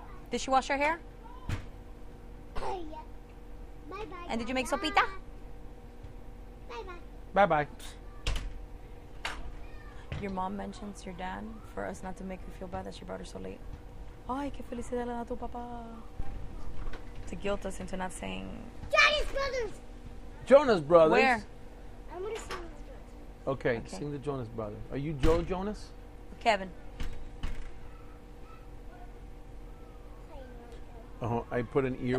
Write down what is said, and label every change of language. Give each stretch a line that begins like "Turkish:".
English: Did she wash her hair? Yeah. Bye bye. And did you make sopita? Bye bye. Bye bye. Your mom mentions your dad for us not to make her feel bad that she brought her so late.
Spanish: Ay, qué felicidad le da tu papá.
English: To guilt us into not saying... Daddy's brothers! Jonas Brothers! Where? I'm going to sing the Jonas Brothers. Okay, sing the Jonas Brothers. Are you Joe Jonas? Kevin. Oh, I put an ear...